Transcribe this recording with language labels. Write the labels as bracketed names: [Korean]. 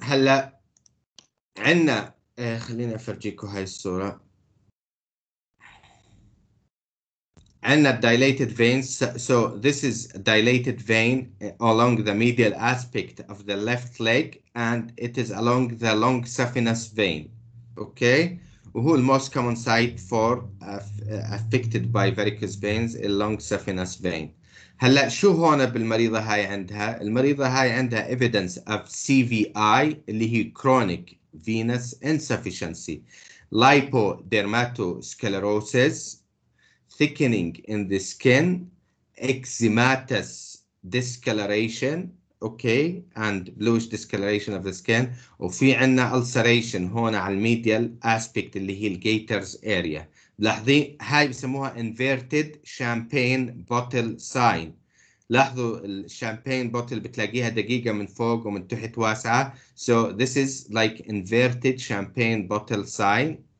[Arabic] هلا عنا خليني أفرجيكوا هاي الصورة. عنا [English] dilated veins. So this is dilated vein along the medial aspect of the left leg and it is along the long saphenous vein. Okay. [Arabic] وهو [English] most common site for affected by varicose veins a long saphenous vein. [Arabic] هلا شو هون بالمريضة هاي عندها؟ [English] المريضة هاي عندها evidence of CVI [Arabic] اللي هي [English] chronic venous insufficiency, lipodermatosclerosis, thickening in the skin, eczematous discoloration, okay, and bluish discoloration of the skin. [Arabic] وفي عنا ulceration هون على [English] medial aspect [Arabic] اللي هي [English] gaiters area. [Arabic] لحظي هاي بسموها [English] inverted champagne bottle sign. [Arabic] لاحظوا الشامبين بوتل بتلاقيها دقيقة من فوق ومن تحت واسعة. [English] So this is like inverted champagne bottle sign.